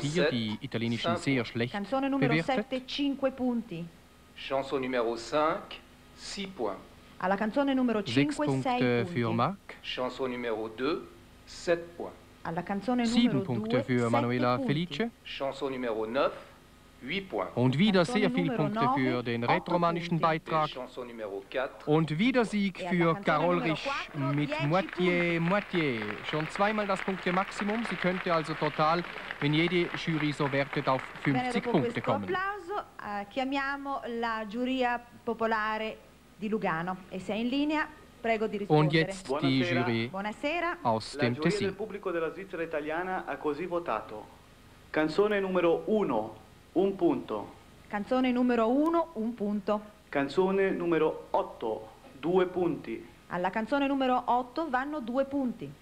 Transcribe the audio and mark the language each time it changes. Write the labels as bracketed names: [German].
[French] 7, 5 points. [Italian] Canzone numero 7, 5 punti. [French] Chanson numéro 5, 6 points. [Italian] Alla canzone numero 5, 6 punti. [French] Chanson numéro 2, 7 points. [Italian] Alla canzone numero 7 punti per Manuela Felice. [French] Chanson numéro 9, 8 points. [German] Und wieder sehr viele Punkte für den retromanischen Beitrag. Und wieder Sieg für Carol Risch mit Moitié, Moitié. Schon zweimal das Punkte Maximum. Sie könnte also total, wenn jede Jury so wertet, auf 50 Punkte kommen. Und jetzt die Jury aus dem Tessin. [Italian] Il pubblico della Svizzera italiana ha così votato. Canzone numero 1. Un punto. Canzone numero 1, un punto. Canzone numero 8, 2 punti. Alla canzone numero 8 vanno 2 punti.